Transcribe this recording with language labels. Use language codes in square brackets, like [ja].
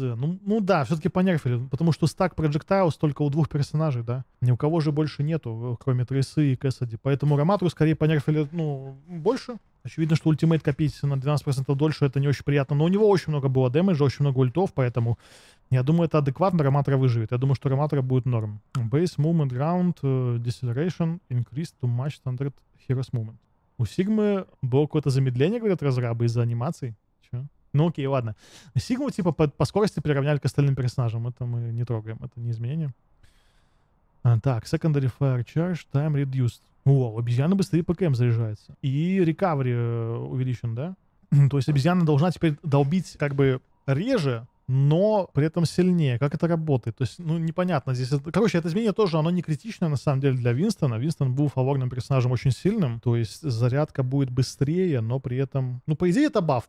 [ru] Ну да, все-таки понерфили. Потому что стак проджектайлс только у двух персонажей, да? Ни у кого же больше нету, кроме Трисы и Кэссиди. Поэтому Раматру скорее понерфили, ну, больше. Очевидно, что ультимейт копить на 12% дольше — это не очень приятно. Но у него очень много было дэмэджа, очень много ультов, поэтому... Я думаю, это адекватно, Раматра выживет. Я думаю, что Раматра будет норм. [en] Base movement ground deceleration increased to match standard heroes movement. [ru] У Сигмы было какое-то замедление, говорят разрабы, из-за анимаций. Че? Ну окей, ладно. Сигму типа по скорости приравняли к остальным персонажам. Это мы не трогаем, это не изменение. Так, [en] secondary fire charge time reduced. [ru] О, обезьяна быстрее ПКМ заряжается. И recovery увеличен, да? То есть обезьяна должна теперь долбить как бы реже, но при этом сильнее. Как это работает? То есть, ну, непонятно здесь. Короче, это изменение тоже, оно не критичное, на самом деле, для Винстона. Винстон был фаворным персонажем очень сильным. То есть, зарядка будет быстрее, но при этом... Ну, по идее, это баф.